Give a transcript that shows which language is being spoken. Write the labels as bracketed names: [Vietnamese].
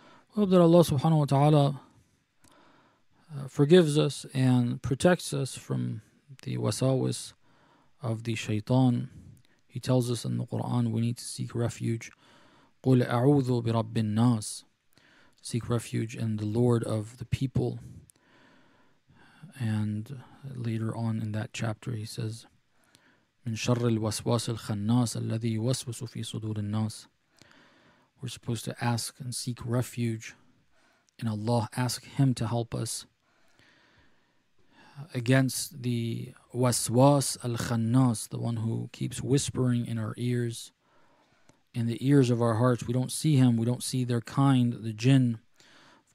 [English] Hope that Allah subhanahu wa ta'ala forgives us and protects us from the wasawis of the shaytan. He tells us in the Quran we need to seek refuge. [Arabic] قُلْ أَعُوذُ بِرَبِّ النَّاسِ. [English] Seek refuge in the Lord of the people. And later on in that chapter he says, [Arabic] مِنْ شَرِّ الْوَسْوَاسِ الْخَنَّاسِ الَّذِي يُوَسْوِسُ فِي صُدُورِ النَّاسِ. [English] We're supposed to ask and seek refuge in Allah, ask Him to help us against the waswas al-khannas, the one who keeps whispering in our ears, in the ears of our hearts. We don't see him, we don't see their kind, the jinn. Of